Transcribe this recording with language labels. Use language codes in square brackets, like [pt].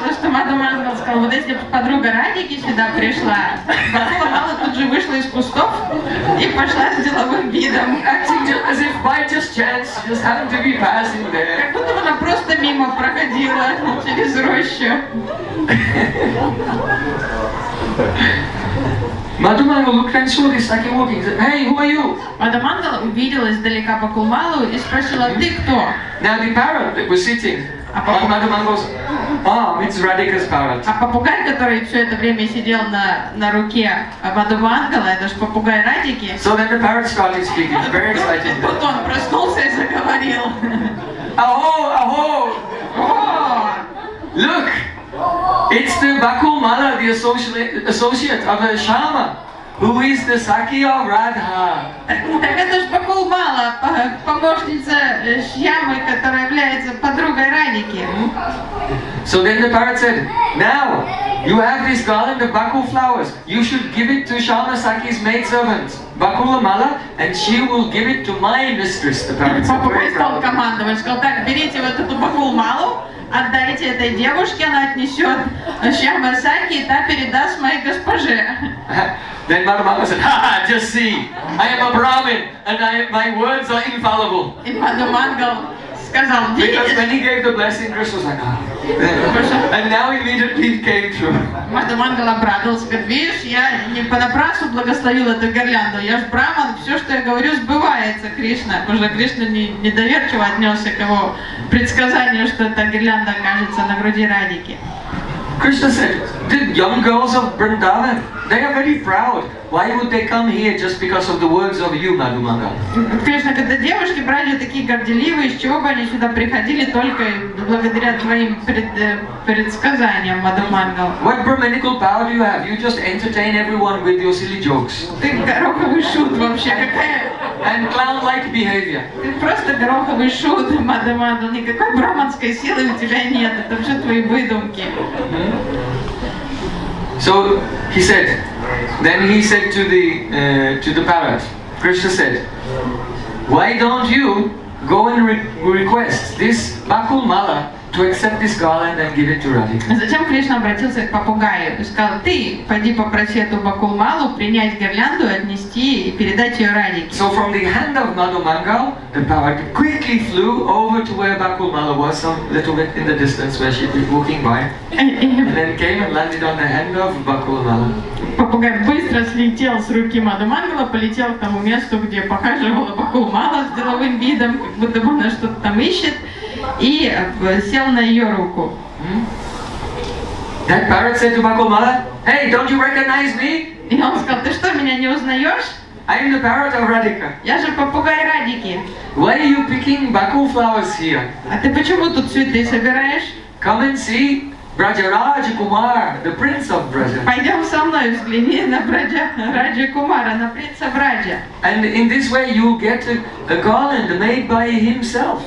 [ru] Мадумангал сказал, вот если бы подруга Радики сюда пришла, Бакула Мала тут же вышла из кустов и пошла с деловым видом. [en] As if by just chance, just happened to be passing there. [ru] Как будто она просто мимо проходила через рощу. [en] Мадумангал looked and saw this Saki walking. Hey, who are you? [ru] Мадумангал увидел издалека Бакула Малу и спросила, ты кто? [en] Now the parrot that was sitting. [ru] А попугай, который все это время сидел на руке Мадумангала, это же попугай Радики. [en] So then the parrot started speaking, very excited. [ru] Вот он проснулся и заговорил. [en] Aho, aho, look, it's the Bakul Mala, the associate of a Shama. Who is the Saki of Radha? [ru] Так это ж Бакул Мала, помощница Шьямы, которая является подругой Радики. [en] So then the parrot said, now you have this garland of Bakul flowers. You should give it to Shama Saki's maidservant, Bakul Mala, and she will give it to my mistress, the parrot said. [ru] Попугай стал командовать, сказал, так, берите вот эту Бакул Малу. Отдайте этой девушке, она отнесет Шьяма Саки, и та передаст моей госпоже. [en] Then Мадумангал said, ha-ha, just see, I am a Brahmin, and my words are infallible. [ru] И Мадумангал сказал, видите? [en] Because when he gave the blessing, Krishna was like, ah. And now immediately it came true. [ru] Мадумангал обрадовался, говорит, видишь, я не понапрасну благословил эту гирлянду, я ж Брахман, все, что я говорю, сбывается, Кришна. Потому что Кришна недоверчиво отнесся к его предсказанию, что эта гирлянда окажется на груди Радики. [en] Krishna said, the young girls of Vrindavan, they are very proud. Why would they come here just because of the words of you, Madhu Mangal? [ru] Krishna, когда девушки брали такие горделивые, с чего бы они сюда приходили только благодаря твоим предсказаниям, Madhu Mangal? [en] What brahminical power do you have? You just entertain everyone with your silly jokes. [ru] Ты гороховый шут вообще, какая? [en] And clown-like behavior. [ru] Ты просто гороховый шут, Madhu Mangal. Никакой брахманской силы у тебя нет. Это все твои выдумки. [en] So he said. Then he said to the parrot. Krishna said, "Why don't you go and request this Bakul Mala to accept this garland and give it to Radhika?" [ru] Затем Кришна обратился к попугаю и сказал: "Ты пойди попроси эту Бакул Малу принять гирлянду, отнести и передать ее Радике." [en] So from the hand of Madhu Mangal, the parrot quickly flew over to where Bakul Mala was, some little bit in the distance where she'd be walking by, and then came and landed on the hand of Bakul Mala. [ru] Попугай быстро слетел с руки Madhu Mangal, полетел к тому месту, где покаживала Бакул Мала с деловым видом, как будто бы она что-то там ищет, и сел на ее руку. [en] That parrot said to Bakul Mala, "Hey, don't you recognize me?" [ru] И он сказал: "Ты что, меня не узнаешь?" [en] I'm the parrot of Radhika. [ru] Я же попугай Радики. [en] Why are you picking Bakul flowers here? [ru] А ты почему тут цветы собираешь? [en] Come and see Brajaraj Kumar, the prince of Braja. [ru] Пойдем со мной, взгляни на Брадже Кумара, на принца Браджа. [en] And in this way you get a garland made by himself.